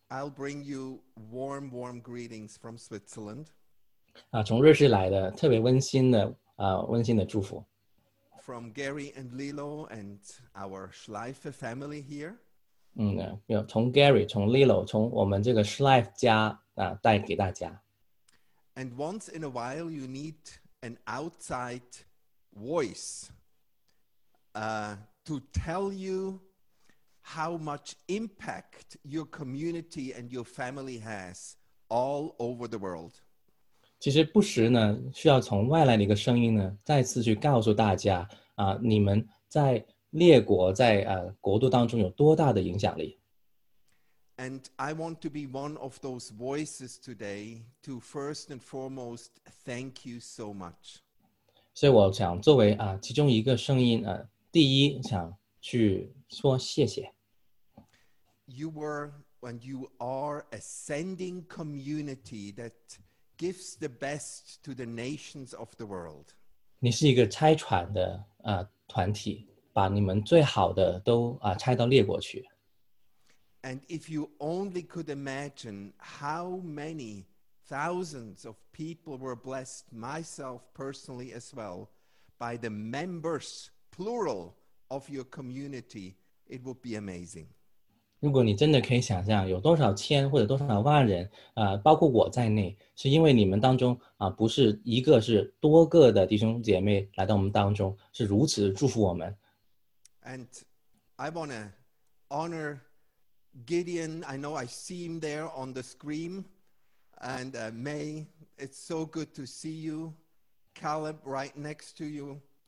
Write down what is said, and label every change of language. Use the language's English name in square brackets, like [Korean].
[English] I'll bring you warm, warm greetings from Switzerland. [Chinese] 从瑞士来的，特别温馨的温馨的祝福。 [English] From Gary and Lilo and our Schleife family here. [Chinese] 从 Gary、从 Lilo、从我们这个 Schleif 家带给大家。 [English] And once in a while, you need an outside voice to tell you how much impact your community and your family has all over the world. [Chinese] 其实不时呢，需要从外来的一个声音呢，再次去告诉大家你们在列国在国度当中有多大的影响力。 [English] And I want to be one of those voices today to first and foremost thank you so much. [Chinese] 所以我想作为其中一个声音第一想去说谢谢。 [English] You are a sending community that gives the best to the nations of the world. [Chinese] 你是一个拆船的团体，把你们最好的都拆到列国去。 [English] And if you only could imagine how many thousands of people were blessed, myself personally as well, by the members, plural, of your community, it would be amazing. [Chinese] 如果你真的可以想象，有多少千或者多少万人，包括我在内，是因为你们当中不是一个，是多个的弟兄姐妹来到我们当中，是如此祝福我们。 [English] And I want to honor Gideon, I know I see him there on the screen. And May, it's so good to see you. Caleb, right next to you.